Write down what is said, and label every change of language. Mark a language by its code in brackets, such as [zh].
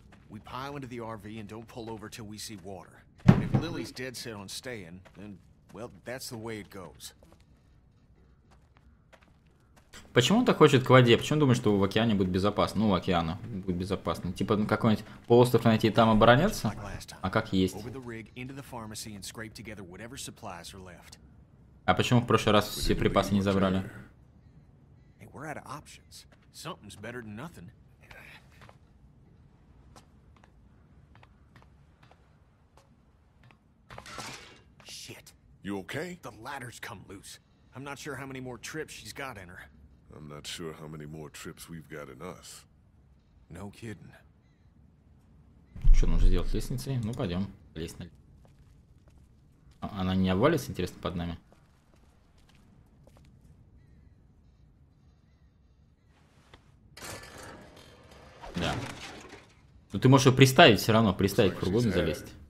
[en] We pile into the RV and don't pull over till we see water. And if Lily's dead set on staying, then, well, that's the way it goes. [ru] Почему он так хочет к воде? Почему он думает, что в океане будет безопасно? Ну, у океана будет безопасно. Типа какой-нибудь полуостров найти и там обороняться? А как есть? [en] Over the rig, into the pharmacy and scrape together whatever supplies are left. [ru] А почему в прошлый раз все припасы не забрали? [en] Hey, we're out of options. Something's better than nothing. You okay? The ladder's come loose. I'm not sure how many more trips she's got in her. I'm not sure how many more trips we've got in us. No kidding. [ru] Что нужно сделать с лестницей? Ну пойдем. Лестница. Она не обвалится, интересно, под нами. Да. Но ты можешь ее приставить все равно, приставить в фургон и залезть.